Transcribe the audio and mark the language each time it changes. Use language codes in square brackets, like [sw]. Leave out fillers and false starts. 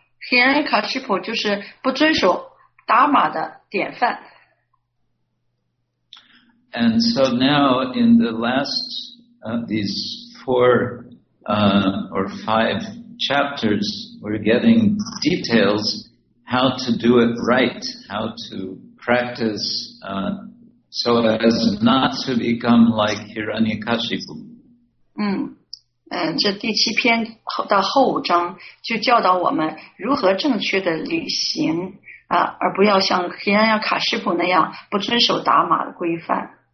[zh] Hiranyakashipu 就是不遵守达玛的典范。 [en] And so now in the last, these four, or five chapters, we're getting details how to do it right, how to practice, so as not to become like Hiranyakashipu. [zh] 这第七篇到后五章就教导我们如何正确的旅行啊，而不要像黑暗亚卡师傅那样不遵守达玛的规范。